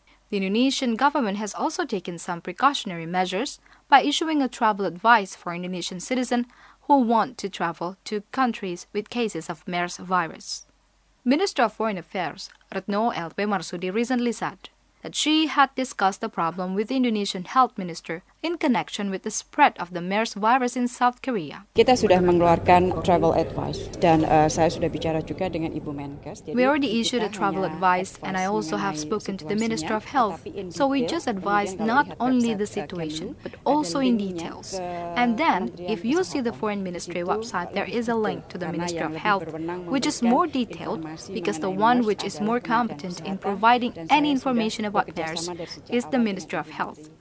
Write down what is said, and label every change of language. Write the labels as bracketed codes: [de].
[en] The Indonesian government has also taken some precautionary measures by issuing a travel advice for Indonesian citizens who want to travel to countries with cases of MERS virus. Minister of Foreign Affairs Retno LP Marsudi recently said that she had discussed the problem with the Indonesian Health Minister in connection with the spread of the MERS virus in South Korea. [id] Kita sudah mengeluarkan travel advice dan saya sudah bicara juga dengan Ibu Menkes. [en] We already issued a travel advice and I also have spoken to the Minister of Health. So we just advised not only the situation but also in details. And then if you see the Foreign Ministry website, there is a link to the Minister of Health which is more detailed because the one which is more competent in providing any information about MERS is the Minister of Health.